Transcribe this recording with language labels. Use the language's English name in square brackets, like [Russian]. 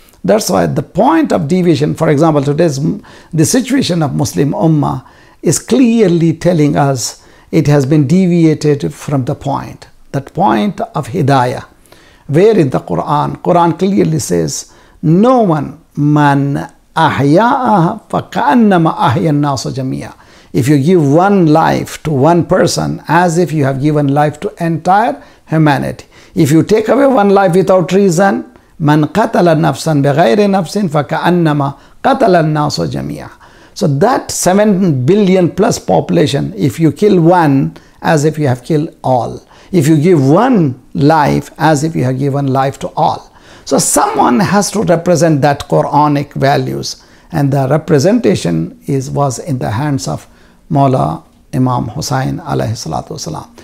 [English] That's why the point of deviation, for example, today's the situation of Muslim Ummah is clearly telling us it has been deviated from the point, that point of Hidayah. Where in the Quran clearly says, no one, [Arabic] man ahya'aha faka'annama ahya'an-nasu jami'a. [English] If you give one life to one person, as if you have given life to entire humanity. If you take away one life without reason, [Arabic] من قتل نفسا بغير نفس فكأنما قتل الناس جميعا. [English] So that 7 billion plus population, if you kill one, as if you have killed all. If you give one life, as if you have given life to all. So someone has to represent that Quranic values, and the representation was in the hands of Mawla Imam Hussain alayhi salatu wasalam.